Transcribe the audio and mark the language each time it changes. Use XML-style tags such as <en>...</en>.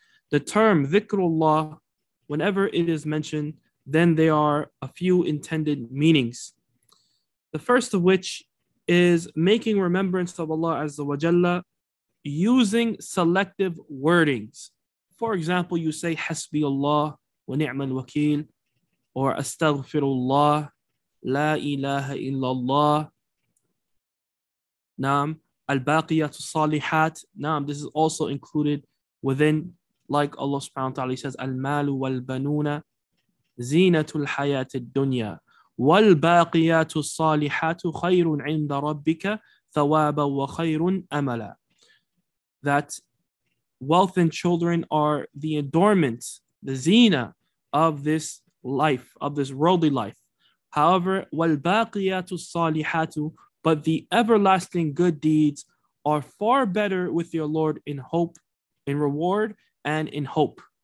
<en>The term dhikrullah, whenever it is mentioned, then there are a few intended meanings. The first of which is making remembrance of Allah Azza wa Jalla using selective wordings. For example, you say</en> <ar>hasbi Allah وَنِعْمَ الْوَكِيلِ or أَسْتَغْفِرُ اللَّهِ لَا إِلَهَ إِلَّا اللَّهِ نعم الْبَاقِيَةُ الصَّالِحَاتِ نعم.</ar> <en>This is also included within, like Allah subhanahu wa ta'ala says,</en> <ar>الْمَالُ وَالْبَنُونَ زِينَةُ الْحَيَاةِ الدُّنْيَا وَالْبَاقِيَاتُ الصَّالِحَاتُ خَيْرٌ عِنْدَ رَبِّكَ ثَوَابًا وَخَيْرٌ أَمَلًا.</ar> <en>That wealth and children are the adornment, the zina of this life, of this worldly life. However,</en> <ar>وَالْبَاقِيَاتُ الصَّالِحَاتُ,</ar> <en>but the everlasting good deeds are far better with your Lord in hope, in reward, and in hope.</en>